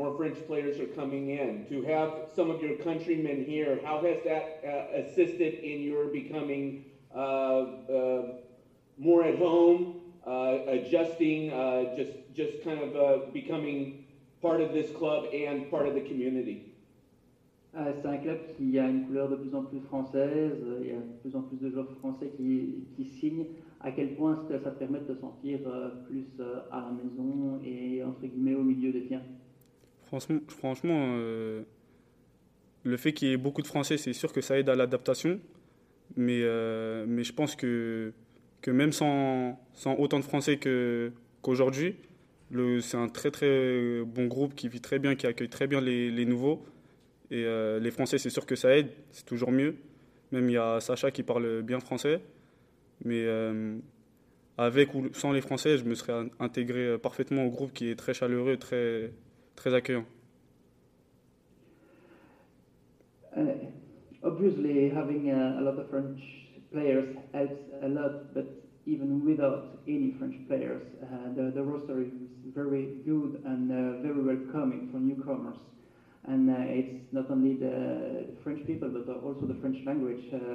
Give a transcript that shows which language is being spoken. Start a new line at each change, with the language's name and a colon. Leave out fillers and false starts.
English: More French players are coming in. To have some of your countrymen here, how has that assisted in your becoming more at home, adjusting, just kind of becoming part of this club and part of the community?
French: C'est un club qui a une couleur de plus en plus française, il y a de plus en plus de joueurs français qui signent. À quel point est-ce que ça te permet de te sentir plus à la maison et entre guillemets au milieu des tiens? Franchement, le fait qu'il y ait beaucoup de français, c'est sûr que ça aide à l'adaptation. Mais je pense que même sans autant de français qu'aujourd'hui, c'est un très très bon groupe qui vit très bien, qui accueille très bien les nouveaux. Et les Français, c'est sûr que ça aide, c'est toujours mieux. Même il y a Sacha qui parle bien français. Mais avec ou sans les Français, je me serais intégré parfaitement au groupe qui est très chaleureux, très, très accueillant.
English: Obviously, having a lot of French players helps a lot, but even without any French players, the roster is very good and very welcoming for newcomers. And it's not only the French people, but also the French language.